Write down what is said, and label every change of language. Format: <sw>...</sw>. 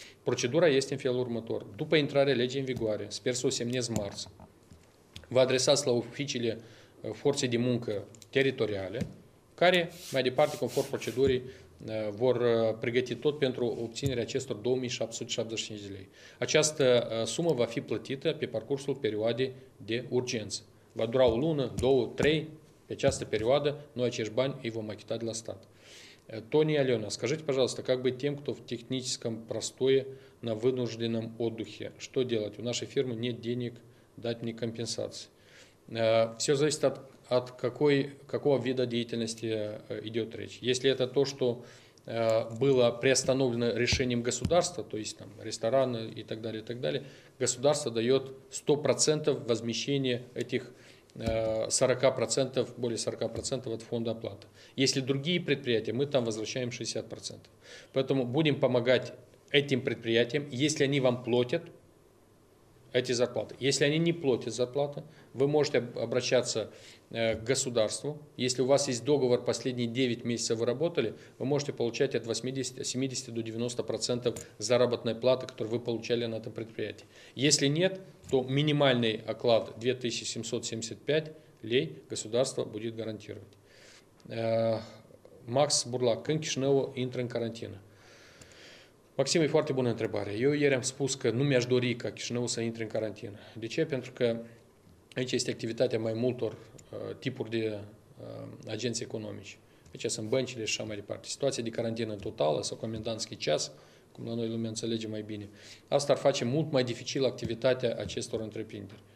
<ro>Procedura este în felul următor. După intrarea legii în vigoare, sper să o semnez marți, vă adresați la oficiile forței de muncă teritoriale, care mai departe, conform procedurii, vor pregăti tot pentru obținerea acestor 2775 lei. Această sumă va fi plătită pe parcursul perioadei de urgență. Va dura o lună, două, trei, pe această perioadă, noi acești bani îi vom achita de la stat.</ro> <ru>Тони Алена, скажите, пожалуйста, как быть тем, кто в техническом простое на вынужденном отдыхе? Что делать? У нашей фирмы нет денег дать ни компенсации. Все зависит от какого вида деятельности идет речь. Если это то, что было приостановлено решением государства, то есть там рестораны и так далее, государство дает 100% возмещения этих 40%, более 40% от фонда оплаты. Если другие предприятия, мы там возвращаем 60%. Поэтому будем помогать этим предприятиям, если они вам платят эти зарплаты. Если они не платят зарплаты, вы можете обращаться к государству. Если у вас есть договор, последние 9 месяцев вы работали, вы можете получать от 70 до 90% заработной платы, которую вы получали на этом предприятии. Если нет, то минимальный оклад 2775 лей государство будет гарантировать.</ru> <ro>Макс Бурлак, când Кишинеу intră în карантină? Maxim, e foarte bună întrebare. Eu ieri am spus că nu mi-aș dori ca Chișinău să intre în carantină. De ce? Pentru că aici este activitatea mai multor tipuri de agenți economici. Aici sunt băncile și așa mai departe. Situația de carantină totală sau comendantski ceas, cum la noi lumea înțelege mai bine, asta ar face mult mai dificil activitatea acestor întreprinderi.</ro>